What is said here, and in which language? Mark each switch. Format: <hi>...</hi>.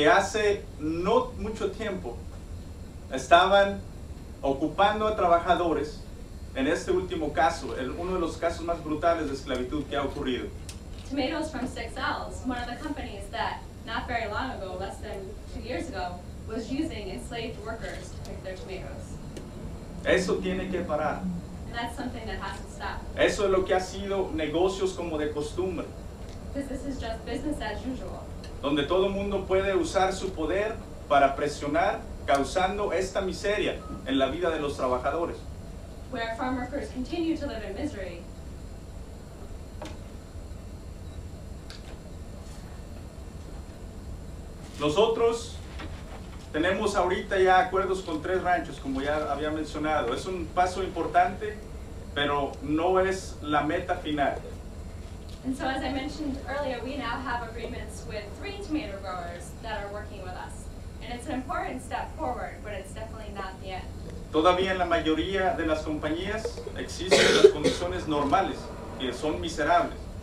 <es>que hace no mucho tiempo estaban ocupando a trabajadores en este último caso, uno de los casos más brutales de esclavitud que ha ocurrido.</es> <en>Tomatoes from Six Owls, one of the companies that not very long ago, less than 2 years ago, was using enslaved workers to pick their tomatoes.</en> <es>Eso tiene que parar.</es> <en>And that's something that has to stop.</en> <es>Eso es lo que ha sido negocios como de costumbre.</es> <en>Because this is just business as usual.</en> <es>Donde todo el mundo puede usar su poder para presionar, causando esta miseria en la vida de los trabajadores.</es> <en>Where farm workers continue to live in misery.</en> <es>Nosotros tenemos ahorita ya acuerdos con tres ranchos, como ya había mencionado. Es un paso importante, pero no es la meta final.</es> <en>And so as I mentioned earlier, we now have agreements with three tomato growers that are working with us. And it's an important step forward, but it's definitely not the end.</en> <es>Todavía en la mayoría de las compañías existen las condiciones normales, que son miserables.</es>